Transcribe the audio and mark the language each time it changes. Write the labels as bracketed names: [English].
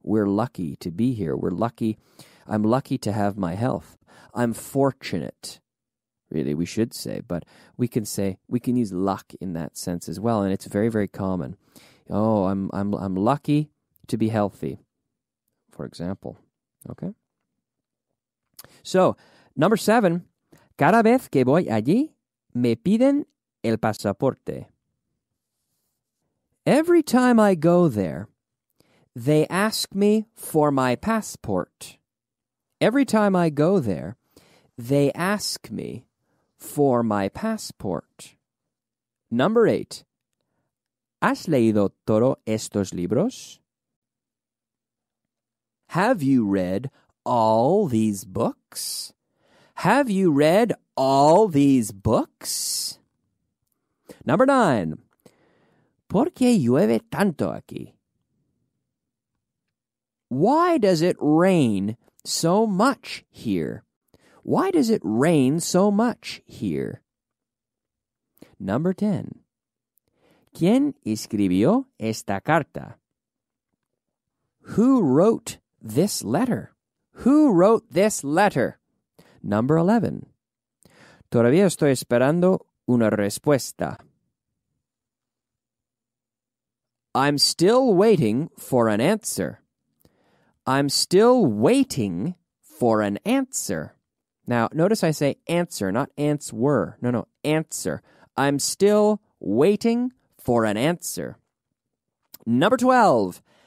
[English] We're lucky to be here. We're lucky. I'm lucky to have my health. I'm fortunate. Really, we should say, but we can use luck in that sense as well, and it's very, very common. Oh, I'm lucky to be healthy, for example. Okay. So, number seven, [Spanish] cada vez que voy allí, me piden el pasaporte. [English] Every time I go there, they ask me for my passport. Every time I go there, they ask me for my passport. Number eight. [Spanish] ¿Has leído todos estos libros? [English] Have you read all these books? Have you read all these books? Number nine. [Spanish] ¿Por qué llueve tanto aquí? [English] Why does it rain so much here? Why does it rain so much here? Number 10. [Spanish] ¿Quién escribió esta carta? [English] Who wrote this letter? Who wrote this letter? Number 11. [Spanish] Todavía estoy esperando una respuesta. [English] I'm still waiting for an answer. I'm still waiting for an answer. Now, notice I say answer, not answer. No, no, answer. I'm still waiting for an answer. Number 12.